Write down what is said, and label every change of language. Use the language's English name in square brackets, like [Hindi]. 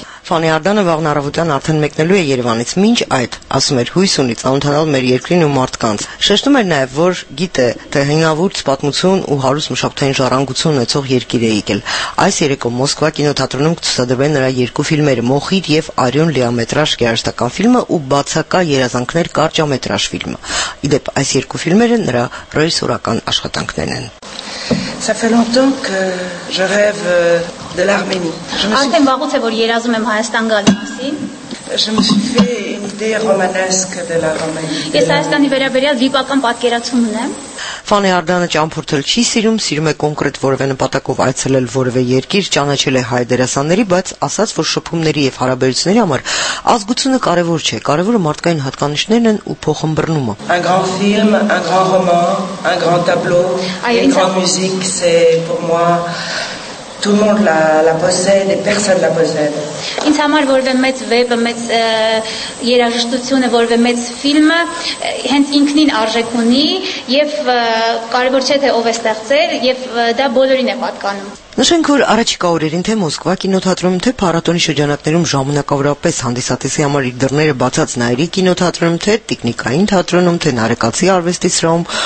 [Armenian] Ֆանի Արդանը վաղն առավոտյան արդեն մեկնելու է Երևանից, մինչ այդ, ասում էր, հույս ունի ծանոթանալ մեր երկրին ու մարդկանց։ Շեշտում էր նաև, որ գիտե, թե հինավուրց պատմություն ու հարուստ մշակութային ժառանգություն ունեցող երկիր է եկել։ Այս երեկո Մոսկվա կինոթատրոնում կցուցադրվեն նրա երկու ֆիլմերը՝ «Մոխիր» և «Արյուն» լիամետրաժ երաժշտական ֆիլմը ու «Բացակա երազանքներ» կարճամետրաժ ֆիլմը։ Ի դեպ, այս երկու ֆիլմերը նրա ռեժիսորական աշխատանքներն են։ [French] Ça fait longtemps que je rêve de l'Arménie. Je me suis fait une idée romanesque de la Roumanie. [Armenian] Ֆանի Արդանը ճամփորդել չի սիրում, սիրում է կոնկրետ որևէ նպատակով այցելել որևէ երկիր, ճանաչել է հայ դերասանների, բայց ասաց, որ շփումների և հարաբերությունների համար ազգությունը կարևոր չէ, կարևորը մարդկային հատկանիշներն են ու փոխմբռնումը։ [French] Un grand film, un grand roman, un grand tableau, une grande musique, c'est pour moi tout le monde la possède et personne la possède. [Armenian] Ինձ համար որևէ մեծ վեպը, մեծ երաժշտությունը, որևէ մեծ ֆիլմը հենց ինքնին արժեք ունի և կարևոր չէ, թե ով է ստեղծել, և դա բոլորին է պատկանում։ Նշենք, որ առաջիկա օրերին թե Մոսկվա կինոթատրոնում, թե փառատոնի շրջանակներում ժամանակավորապես հանդիսատեսի համար իր դռները բացած Նայիրի կինոթատրոնում, թե Տիկնիկային թատրոնում, թե Նարեկացի արվեստի սրահում,